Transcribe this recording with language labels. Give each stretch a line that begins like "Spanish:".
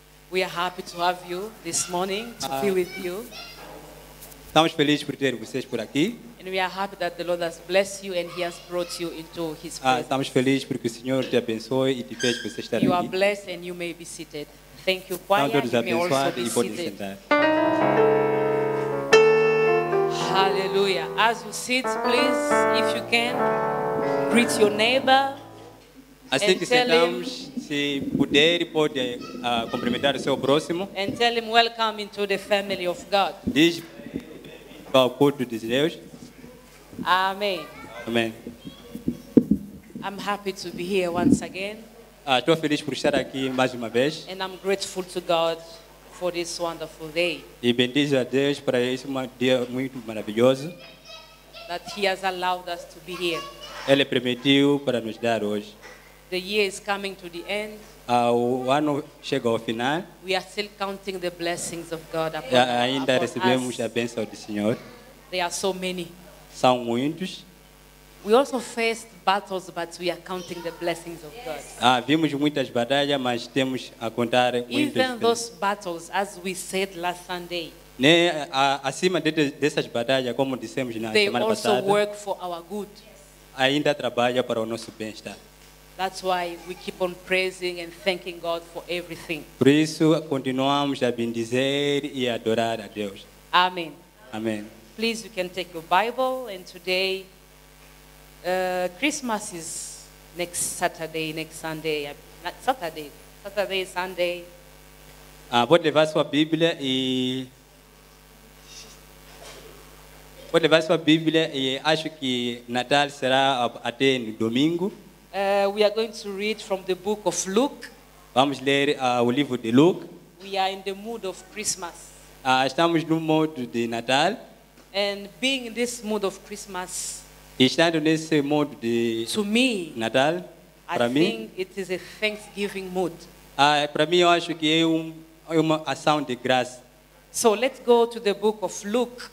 English: We are happy to have you this morning to be with you.
Portuguese: Estamos felizes por ter vocês por aqui.
English: And we are happy that the Lord has blessed you and He has brought you into His presence.
Portuguese: Estamos felizes porque o Senhor te abençoe e te fez vocês estar aqui.
English: You are blessed and you may be seated. Thank you. Choir, you may also be seated. Hallelujah. As you sit, please, if you can, greet your neighbor.
Portuguese: Assim que sentamos, se puder, pode cumprimentar o seu próximo.
English: And tell him welcome into the family of God.
Portuguese: Diz ao culto de Deus.
English: Amen. Amen. I'm happy to be here once again.
Portuguese: Estou feliz por estar aqui mais uma vez.
English: And I'm grateful to God for this wonderful day.
Portuguese: E bendizo a Deus para esse dia muito maravilhoso.
English: That He has allowed us to be here.
Portuguese: Ele permitiu para nos dar hoje.
English: The year is coming to the end.
Portuguese: O ano chega ao final.
English: We are still counting the blessings of God upon,
Portuguese: ainda recebemos a bênção do Senhor.
English: There are so many.
Portuguese: São muitos.
English: We also faced battles, but we are counting the blessings of God.
Portuguese: Ah, vimos muitas batalhas, mas temos a contar muitas.
English: Even those battles, as we said last Sunday.
Portuguese: Né, acima dessas batalhas, como dissemos na semana passada.
English: They also work for our good.
Portuguese: Ainda trabalha para o nosso bem-estar.
English: That's why we keep on praising and thanking God for everything.
Portuguese: Por isso continuamos a bendizer e adorar a Deus.
English: Amen. Amen. Please, you can take your Bible, and today. Christmas is next Saturday, next Sunday. Saturday, Sunday.
Portuguese: Pode levar sua Bíblia e. Pode levar sua Bíblia e acho que Natal será até no domingo.
English: We are going to read from the book of Luke.
Portuguese: Vamos ler o livro de Luke.
English: We are in the mood of Christmas.
Portuguese: Estamos no modo de Natal.
English: And being in this mood of Christmas.
Portuguese: Estando nesse modo de
English: to me,
Portuguese: Natal, para mim,
English: think it is a thanksgiving mood.
Portuguese: Para mim, eu acho que é uma ação de graça.
English: So let's go to the book of Luke.